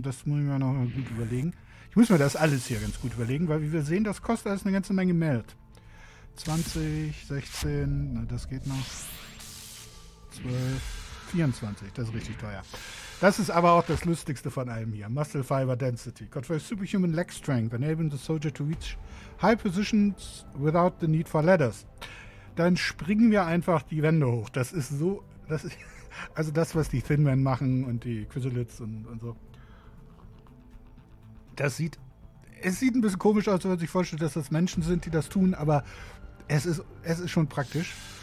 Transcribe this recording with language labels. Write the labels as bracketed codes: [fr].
[de] Das muss ich mir noch gut überlegen. Ich muss mir das alles hier ganz gut überlegen, weil wie wir sehen, das kostet alles eine ganze Menge Geld. 20, 16, na, das geht noch. 12, 24, das ist richtig teuer. Das ist aber auch das Lustigste von allem hier. [en] Muscle Fiber Density. Confers superhuman leg strength, enabling the soldier to reach high positions without the need for ladders. [de] Dann springen wir einfach die Wände hoch. Das ist so, das ist, also das, was die Thin Men machen und die Quizzlets und so. Das sieht, es sieht ein bisschen komisch aus, wenn man sich vorstellt, dass das Menschen sind, die das tun, aber es ist schon praktisch.